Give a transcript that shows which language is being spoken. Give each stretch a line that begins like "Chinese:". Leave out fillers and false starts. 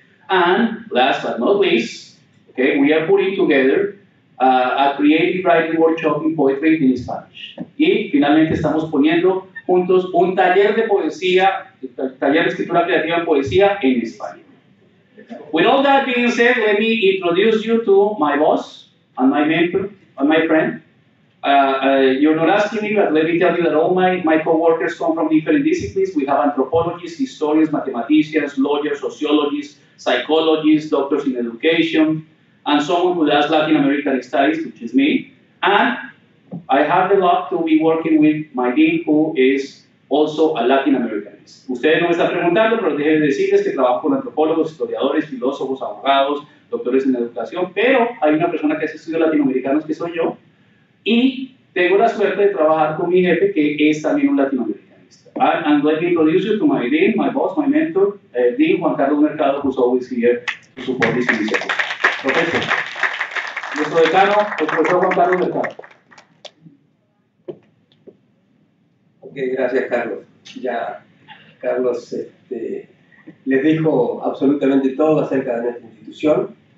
English: And last but not least, okay, we are putting together a creative writing workshop in poetry in Spanish.
Spanish: Y finalmente estamos poniendo juntos un taller de poesía, taller de escritura creativa en poesía en España.
English: With all that being said, let me introduce you to my boss and my mentor and my friend. You're not asking me, but let me tell you that all my co-workers come from different disciplines. We have anthropologists, historians, mathematicians, lawyers, sociologists, psychologists, doctors in education, and someone who does Latin American studies, which is me. And I have the luck to be working with my dean, who is also a Latin Americanist.
Spanish: Ustedes no me están preguntando, pero dejen de decirles que trabajo con antropólogos, historiadores, filósofos, abogados, doctores en educación, pero hay una persona que hace estudios latinoamericanos que soy yo, y tengo la suerte de trabajar con mi jefe, que es también un latinoamericanista.
English: And let me introduce you to my dean, my boss, my mentor, Dean Juan Carlos Mercado, who's always here to support this initiative.
Spanish: Profesor, nuestro decano, el profesor Juan Carlos Mercado. Gracias, Carlos. Ya Carlos les dijo absolutamente todo acerca de nuestra institución.